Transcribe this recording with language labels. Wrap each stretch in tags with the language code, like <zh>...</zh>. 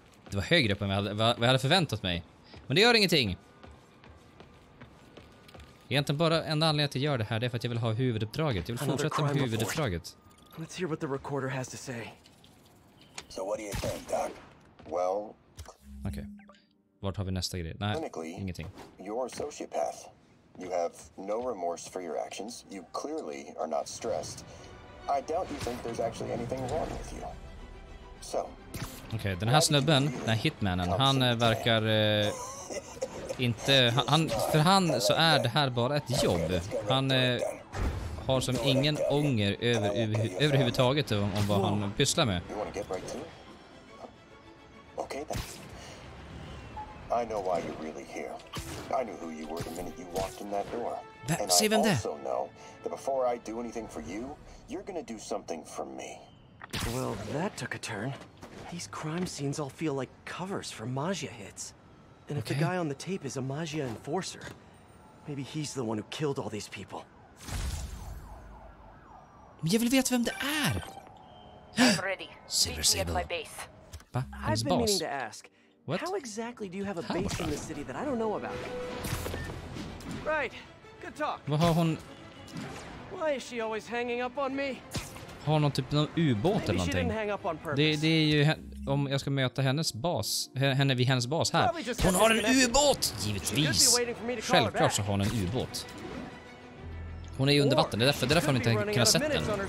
<sv>Det var högre upp än vad jag hade förväntat mig. Men det gör ingenting. Egentligen bara en anledning att jag gör det här, det är för att jag vill ha huvuduppdraget. Jag vill fortsätta med huvuduppdraget.</sv> <en>Let's hear what the recorder has to say. So what do you think, Doc? Well,</en> <sv>okay. Vart har vi nästa grej? Nej, ingenting.</sv> <en>You're a sociopath. You have no remorse for your actions. You clearly are not stressed. I doubt you think there's actually anything wrong with you. So.</en> <sv>Okej, den här snubben, den här hitmannen, han verkar inte, han så är det här bara ett jobb. Han har som ingen ånger överhuvudtaget om vad han pysslar med.</sv> <en>Okej, I know why you're really here. I knew who you were the minute you walked in that door. And I also know that before I do anything for you, you're gonna do something for me. Well, that took a turn. These crime scenes all feel like covers for Magia hits. And if the guy on the tape is a Magia enforcer, maybe he's the one who killed all these people.</en> <sv>Men jag vill veta vem det är!</sv> <en>I'm ready. Silver Sable.</en> <sv>Va? Hans</sv> <en>I've</en> <sv>boss?</sv> <en>Been meaning to ask, what? How exactly do you have a base in the city that I don't know about? Right. Good talk.</en> <sv>Vad har hon...</sv> <en>Why is she always hanging up on me?</en> <sv>Har någon typ någon ubåt eller någonting. Det är ju om jag ska möta hennes bas, henne vid hennes bas här. Hon har en ubåt, givetvis. Självklart så har hon en ubåt. Hon är ju under vatten, det är därför hon inte kan ha sett den.</sv>